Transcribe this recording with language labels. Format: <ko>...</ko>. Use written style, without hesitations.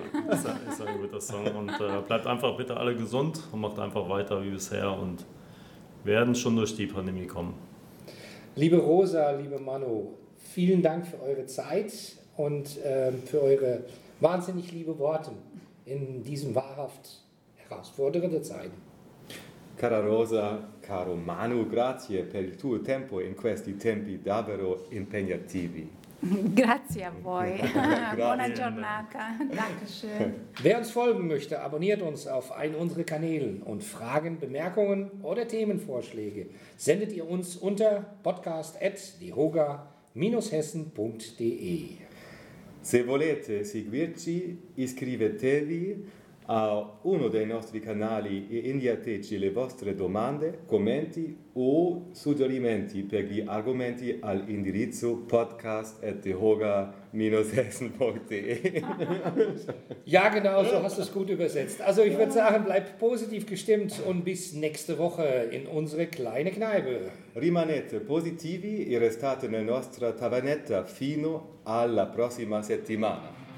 <de>Ist ein guter Song und bleibt einfach bitte alle gesund und macht einfach weiter wie bisher und werden schon durch die Pandemie kommen. Liebe Rosa, liebe Manu, vielen Dank für eure Zeit und für eure wahnsinnig liebe Worte in diesen wahrhaft herausfordernden Zeiten.</de> <it>Cara Rosa, caro Manu, grazie per il tuo tempo in questi tempi davvero impegnativi. Grazie a voi. Buona giornata.</it> <de>Dankeschön. Wer uns folgen möchte, abonniert uns auf einen unserer Kanäle und Fragen, Bemerkungen oder Themenvorschläge sendet ihr uns unter podcast@diehoga-hessen.de.</de> <it>Se volete seguirci, iscrivetevi a uno dei nostri canali e inviateci le vostre domande, commenti o suggerimenti per gli argomenti all'indirizzo podcast@diehoga-hessen.de.</it> <de>Ja, genau, so hast du es gut übersetzt. Also ich würde sagen, bleibt positiv gestimmt und bis nächste Woche in unsere kleine Kneipe.</de> <it>Rimanete positivi e restate nella nostra tavernetta fino alla prossima settimana.</it>